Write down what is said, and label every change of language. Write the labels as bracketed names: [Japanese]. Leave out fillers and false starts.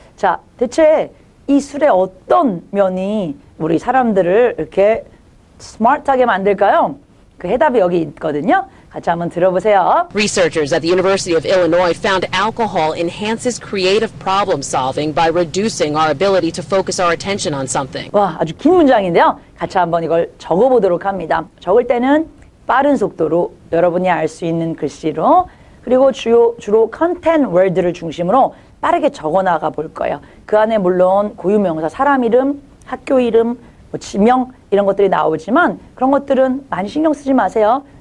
[Korean] 자, 대체 이 술의 어떤 면이 우리 사람들을 이렇게 스마트하게 만들까요? 그 해답이 여기 있거든요. 같이 한번 들어보세요. [English] Researchers at the University of Illinois found alcohol enhances creative problem solving by reducing our ability to focus our attention on something. [Korean] 와, 아주 긴 문장인데요. 같이 한번 이걸 적어보도록 합니다. 적을 때는 빠른 속도로 여러분이 알 수 있는 글씨로 그리고 주로 content word를 중심으로 빠르게 적어나가 볼 거예요. 그 안에 물론 고유명사, 사람 이름, 학교 이름, 뭐 지명 이런 것들이 나오지만 그런 것들은 많이 신경 쓰지 마세요.